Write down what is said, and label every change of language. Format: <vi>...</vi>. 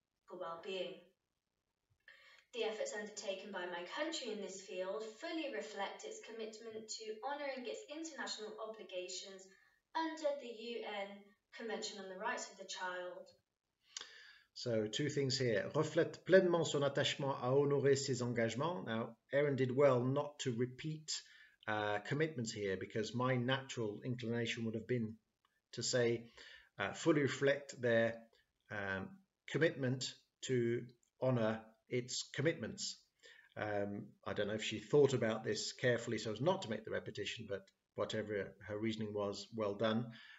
<en>Well-being. The efforts undertaken by my country in this field fully reflect its commitment to honouring its international obligations under the UN Convention on the Rights of the Child. So, two things here.</en> <fr>Reflète pleinement son attachement à honorer ses engagements.</fr> <en>Now, Aaron did well not to repeat commitments here, because my natural inclination would have been to say fully reflect their commitment to honour its commitments. I don't know if she thought about this carefully so as not to make the repetition, but whatever her reasoning was, well done.</en>